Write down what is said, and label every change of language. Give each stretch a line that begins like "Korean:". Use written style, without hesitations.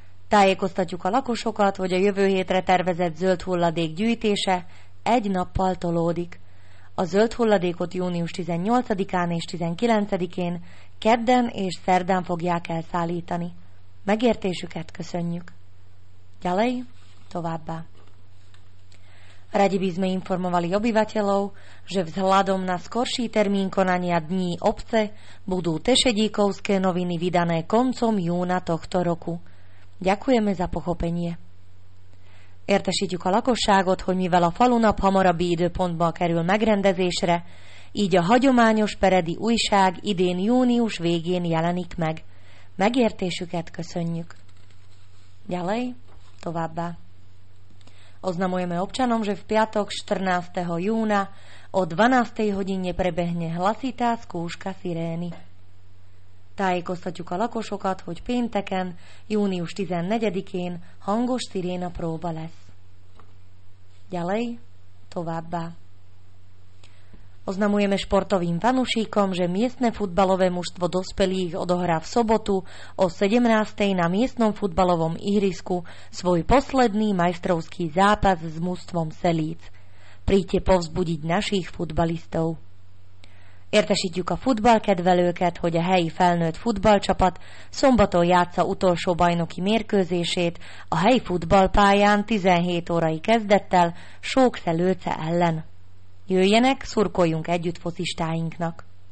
Hungarian: Tájeko staťuka lakosokat, vagy a jövő hétre tervezett zöld hulladék gyűjtése egy nappal tolódik. A zöld hulladékot június 18-án és 19-én kedden és szerdán fogják elszállítani. Megértésüket köszönjük.
Slovak: Ďalej,
Hungarian: továbbá.
Slovak: Radi by sme informovali obyvateľov, že vzhľadom na skorší termín konania dní obce budú Tešedíkovské noviny vydané koncom júna tohto roku. Ďakujeme za pochopenie.
Hungarian: Értesítjük a lakosságot, hogy mivel a falunap hamarabbi időpontban kerül megrendezésre, így a hagyományos peredi újság idén június végén jelenik meg. Megértésüket köszönjük.
Slovak: Ďalej,
Hungarian: továbbá.
Slovak: Oznamujeme občanom, že v piatok 14. júna o 12. hodine prebehne hlasitá skúška sirény.
Hungarian: Tájékoztatjuk a lakosokat, hogy pénteken, június 14-én hangos siréna próba lesz.
Slovak: Ďalej,
Hungarian: továbbá.
Slovak: Oznamujeme športovým fanúšikom, že miestne futbalové mužstvo dospelých odohrá v sobotu o 17. na miestnom futbalovom ihrisku svoj posledný majstrovský zápas s mužstvom Selíc. Príďte povzbudiť našich futbalistov.
Hungarian: Értesítjük a futballkedvelőket, hogy a helyi felnőtt futballcsapat szombaton játsza utolsó bajnoki mérkőzését a helyi futballpályán 17 órai kezdettel Sókszelőce ellen. Jöjjenek, szurkoljunk együtt focistáinknak.